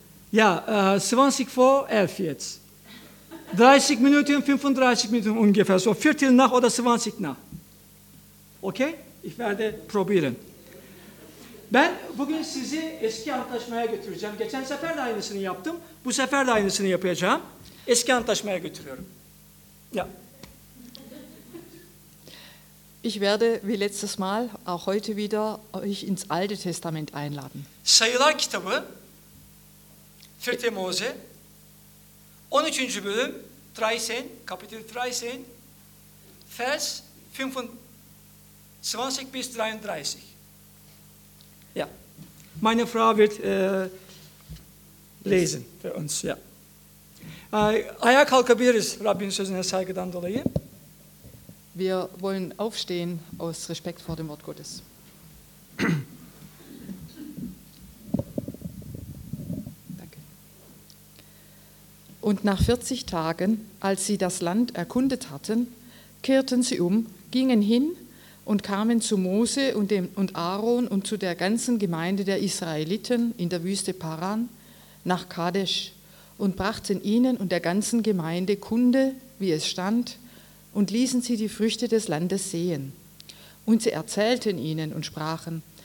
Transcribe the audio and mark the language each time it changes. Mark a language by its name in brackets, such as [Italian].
[German] Ja, 20 vor 11 jetzt. 30 Minuten, 35 Minuten ungefähr. So, Viertel nach oder 20 nach. Okay? Ich werde probieren. [Turkish] Ben bugün sizi eski antlaşmaya götüreceğim. Geçen sefer de aynısını yaptım. Bu sefer de aynısını yapacağım. Eski antlaşmaya götürüyorum. Ya. [German] Ich werde wie letztes Mal auch heute wieder euch ins Alte Testament einladen. [Turkish] Sayılar kitabı 4. Mose 13. [German] bölüm 13 kapitel 13 vers 25 bis 33. Ja, meine Frau wird lesen für uns, ja. [Turkish] Ayağa kalkabiliriz Rabbin sözüne saygıdan dolayı. [German] Wir wollen aufstehen aus Respekt vor dem Wort Gottes. Danke. Und nach 40 Tagen, als sie das Land erkundet hatten, kehrten sie um, gingen hin, und kamen zu Mose und Aaron und zu der ganzen Gemeinde der Israeliten in der Wüste Paran nach Kadesh und brachten ihnen und der ganzen Gemeinde Kunde, wie es stand, und ließen sie die Früchte des Landes sehen. Und sie erzählten ihnen und sprachen,